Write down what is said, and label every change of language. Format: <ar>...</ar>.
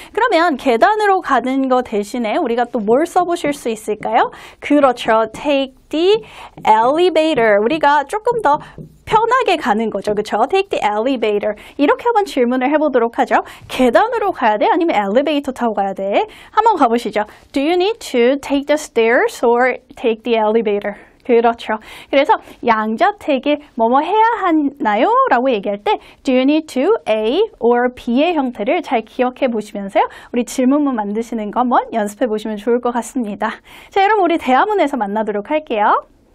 <ko>그러면 계단으로 가는 거 대신에 우리가 또 뭘 써보실 수 있을까요?</ko> <en>그렇죠. take the elevator.</en> <ko>우리가 조금 더 편하게 가는 거죠.</ko> <en>그렇죠? Take the elevator.</en> <ko>이렇게 한번 질문을 해보도록 하죠. 계단으로 가야 돼? 아니면 엘리베이터 타고 가야 돼? 한번 가보시죠.</ko> <en>Do you need to take the stairs or take the elevator?</en> <ko>그렇죠. 그래서 양자택일 뭐뭐 해야 하나요? 라고 얘기할 때 Do you need to A or B의 형태를 잘 기억해 보시면서요. 우리 질문문 만드시는 거 한번 연습해 보시면 좋을 것 같습니다. 자, 여러분, 우리 대화문에서 만나도록 할게요.</ko>